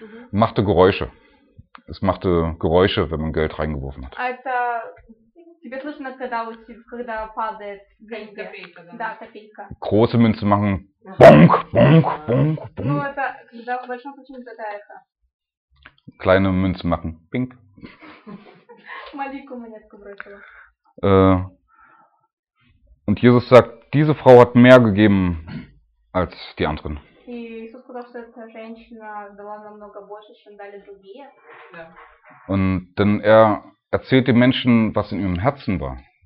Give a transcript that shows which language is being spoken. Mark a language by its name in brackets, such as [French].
[German] Machte Geräusche. Es machte Geräusche, wenn man Geld reingeworfen hat. [Russian] Тебе слышно, когда падает деньги? Копейка, да. Да, копейка. [German] Große Münze machen. [Russian] Бунг, бунг, бунг, бунг. Ну, это, когда в большом случае это какая-то. [German] Kleine Münze machen. [Russian] Пинг. Маленькую монетку бросила. [German] Und Jesus sagt, diese Frau hat mehr gegeben als die anderen. [Russian] И Иисус сказал, что эта женщина дала намного больше, чем дали другие. Да. [German] Und denn er erzählt den Menschen, was in ihrem Herzen war.